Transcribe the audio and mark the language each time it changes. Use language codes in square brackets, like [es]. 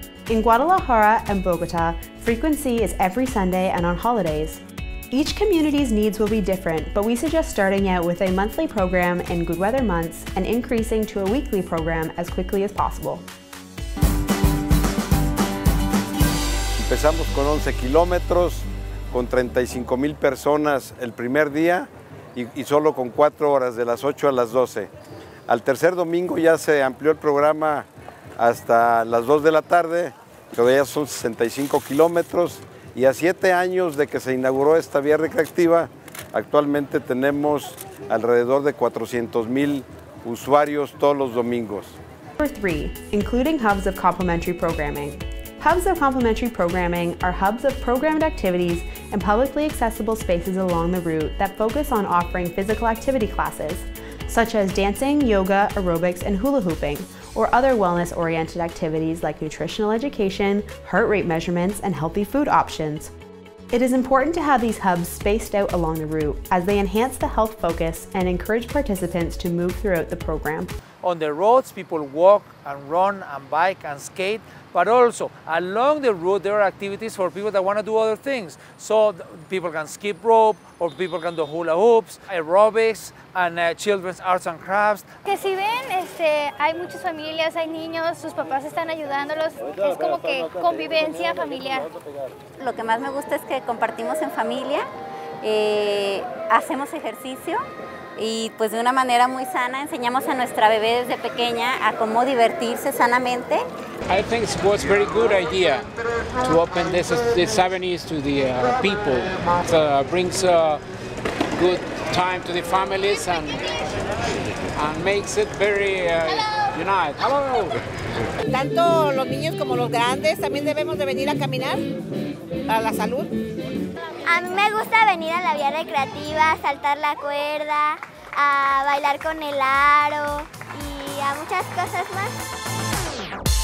[en] In Guadalajara and Bogota, frequency is every Sunday and on holidays. Each community's needs will be different, but we suggest starting out with a monthly program in good weather months and increasing to a weekly program as quickly as possible. [es] Empezamos con 11 kilómetros, con 35 mil personas el primer día y solo con 4 horas, de las 8 a las 12. Al tercer domingo ya se amplió el programa hasta las 2 de la tarde, todavía son 65 kilómetros. Y a 7 años de que se inauguró esta vía recreativa, actualmente tenemos alrededor de 400 mil usuarios todos los domingos. [en] Number 3, including hubs of complementary programming. Hubs of complementary programming are hubs of programmed activities and publicly accessible spaces along the route that focus on offering physical activity classes, such as dancing, yoga, aerobics, and hula hooping, or other wellness-oriented activities like nutritional education, heart rate measurements, and healthy food options. It is important to have these hubs spaced out along the route as they enhance the health focus and encourage participants to move throughout the program. On the roads, people walk and run and bike and skate, but also along the route, there are activities for people that want to do other things. So people can skip rope, or people can do hula hoops, aerobics, and children's arts and crafts. [es] Que si ven, hay muchas familias, hay niños, sus papás están ayudándolos. Es como que convivencia familiar. Lo que más me gusta es que compartimos en familia, hacemos ejercicio, y pues de una manera muy sana enseñamos a nuestra bebé desde pequeña a cómo divertirse sanamente. [en] I think it was a very good idea to open this avenue to the people. It brings a good time to the families and makes it very united. Hello. [es] Tanto los niños como los grandes también debemos de venir a caminar para la salud. A mí me gusta venir a la vía recreativa, a saltar la cuerda, a bailar con el aro y a muchas cosas más.